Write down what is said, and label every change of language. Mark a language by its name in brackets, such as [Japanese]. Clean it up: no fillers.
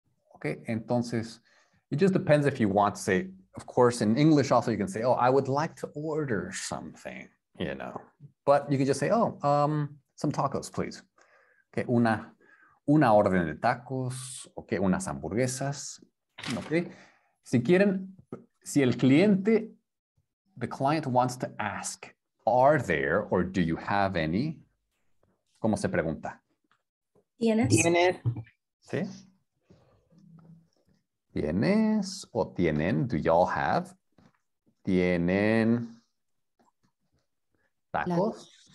[English] Ok, entonces, it just depends if you want to say. Of course, in English also you can say, oh, I would like to order something, you know. But you can just say, oh, some tacos, please. [Spanish] que una orden de tacos o que unas hamburguesas. [English] Okay. [Spanish] Si quieren, si el cliente, [English] the client wants to ask, are there or do you have any? [Spanish] ¿Cómo se pregunta? ¿Tienes? ¿Sí? ¿Tienes o tienen? [English] Do y'all have? [Spanish] ¿Tienen tacos?